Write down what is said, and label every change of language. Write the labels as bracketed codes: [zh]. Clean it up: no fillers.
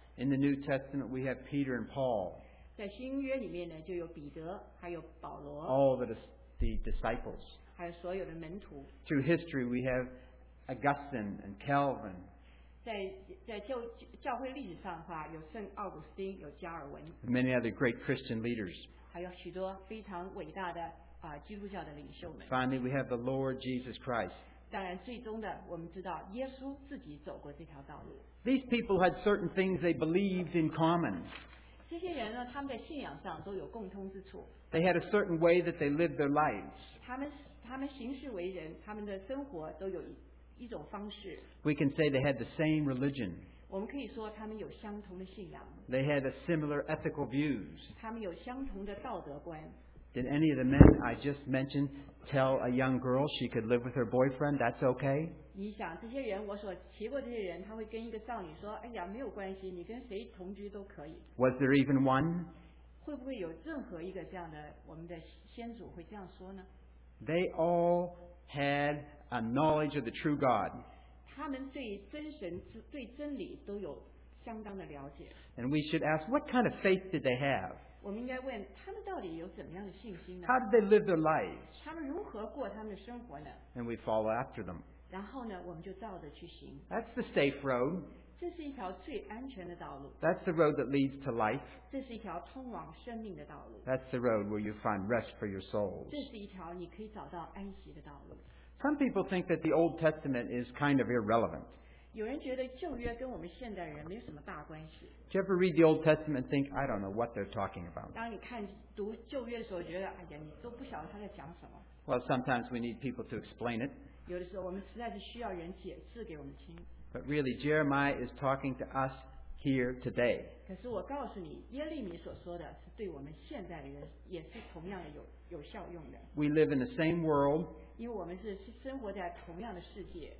[en] in the New Testament, we have Peter and Paul. [zh] 在新约里面呢, 就有彼得, 还有保罗, [en] all the disciples. [zh] 还有所有的门徒, [en] through history, we have Augustine and Calvin. [zh] 在教会历史上的话, 有圣奥古斯丁, 有加尔文, [en] many other great Christian leaders. [zh] 还有许多非常伟大的, 基督教的领袖们, [en] finally, we have the Lord Jesus Christ. [zh] 当然最终的, [en] these people had certain things they believed in common. [zh] 这些人呢, [en] they had a certain way that they lived their lives. [zh] 他们, 他们行事为人，他们的生活都有一种方式。 [en] We can say they had the same religion. [zh] 我们可以说他们有相同的信仰。 [en] They had a similar ethical views. [zh] 他们有相同的道德观。 [en] Did any of the men I just mentioned tell a young girl she could live with her boyfriend? That's okay. [zh] 你想这些人，我所提过这些人，他会跟一个少女说：“哎呀，没有关系，你跟谁同居都可以。” [en] Was there even one? [zh] 会不会有任何一个这样的我们的先祖会这样说呢？ [en] They all had a knowledge of the true God. [zh] 他们对真神、对真理都有相当的了解。 [en] And we should ask, what kind of faith did they have? [zh] 我们应该问他们到底有怎么样的信心呢？ [en] How did they live their life? [zh] 他们如何过他们的生活呢？ [en] And we follow after them. [zh] 然后呢，我们就照着去行。 [en] That's the safe road. [zh] 这是一条最安全的道路。 [en] That's the road that leads to life. [zh] 这是一条通往生命的道路。 [en] That's the road where you find rest for your souls. [zh] 这是一条你可以找到安息的道路。 [en] Some people think that the Old Testament is kind of irrelevant. [zh] 有人觉得旧约跟我们现代人没有什么大关系。 [en] Do you ever read the Old Testament and think, I don't know what they're talking about? [zh] 当你看读旧约的时候，觉得哎呀，你都不晓得他在讲什么。 [en] Well, sometimes we need people to explain it. [zh] 有的时候我们实在是需要人解释给我们听。 [en] But really, Jeremiah is talking to us here today. [zh] 可是我告诉你，耶利米所说的是对我们现代人也是同样的有效用的。 [en] We live in the same world. [zh] 因为我们是生活在同样的世界。